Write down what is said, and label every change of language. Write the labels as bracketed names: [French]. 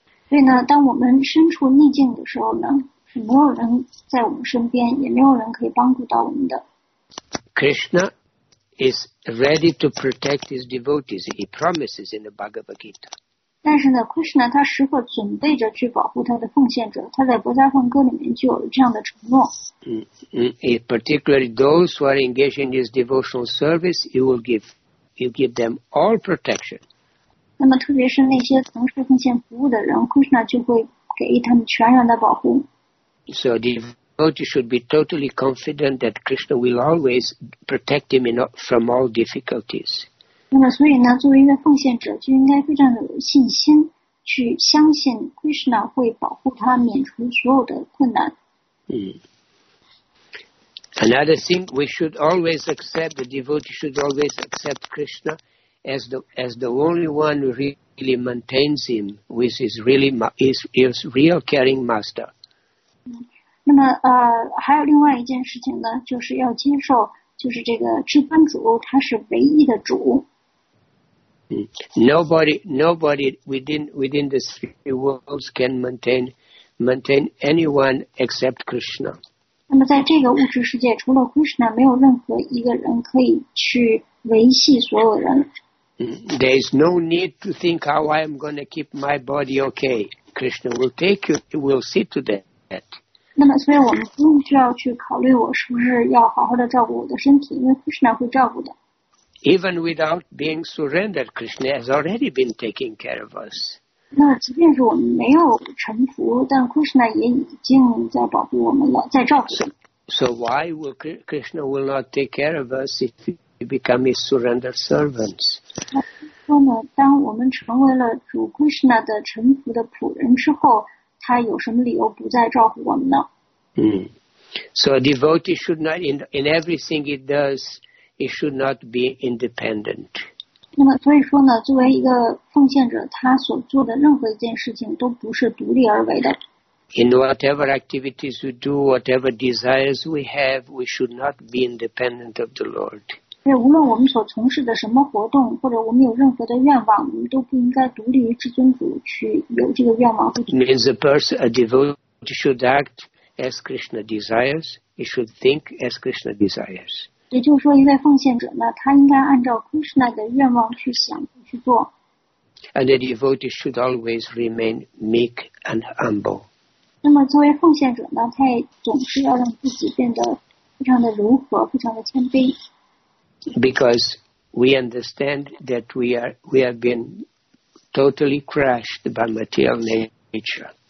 [Chinese] 所以呢，当我们身处逆境的时候呢，是没有人在我们身边，也没有人可以帮助到我们的。 [English] Krishna is ready to protect his devotees. He promises in the Bhagavad Gita. [Chinese] 但是呢 ，Krishna 他时刻准备着去保护他的奉献者，他在《博迦梵歌》里面就有了这样的承诺。 [English] Particularly those who are engaged in his devotional service, you give them all protection. [Chinese] 那么特别是那些从事奉献服务的人 ，Krishna 就会给他们全然的保护。 [English] So the devotee should be totally confident that Krishna will always protect him from all difficulties. [Chinese] 那么所以呢，作为一个奉献者，就应该非常的有信心，去相信 Krishna 会保护他，免除所有的困难。 [English] Another thing, we should always accept, the devotee should always accept Krishna as the only one who really maintains him, which is really his real caring master. [Chinese] 那么还有另外一件事情呢，就是要接受，就是这个至尊主他是唯一的主。 [English] Nobody within the three worlds can maintain anyone except Krishna. [Chinese] 那么在这个物质世界，除了 Krishna， 没有任何一个人可以去维系所有人。 [English] There is no need to think how I am going to keep my body okay. Krishna will take you. Will see to that. [Chinese] 那么，所以我们不用需要去考虑我是不是要好好的照顾我的身体，因为 Krishna 会照顾的。 [English] Even without being surrendered, Krishna has already been taking care of us. [Chinese] 那即便是我们没有臣服，但 Krishna 也已经在保护我们了，在照顾。 [English] So why will Krishna will not take care of us if we become his surrendered servants? [Chinese] 说呢，当我们成为了主 Krishna 的臣服的仆人之后，他有什么理由不再照顾我们呢？ [English] So a devotee should not in everything he does. He should not be independent. [Chinese] 那么所以说呢，作为一个奉献者，他所做的任何一件事情都不是独立而为的。 [English] In whatever activities we do, whatever desires we have, we should not be independent of the Lord. [Chinese] 对，无论我们所从事的什么活动，或者我们有任何的愿望，我们都不应该独立于至尊主去有这个愿望。 [English] Means a person, a devotee should act as Krishna desires. He should think as Krishna desires. [Chinese] 也就是说，一位奉献者呢，他应该按照 Krishna 的愿望去想去做。 [English] And the devotee should always remain meek and humble. [Chinese] 那么，作为奉献者呢，他也总是要让自己变得非常的柔和，非常的谦卑。 [English] Because we understand that we have been totally crushed by material nature.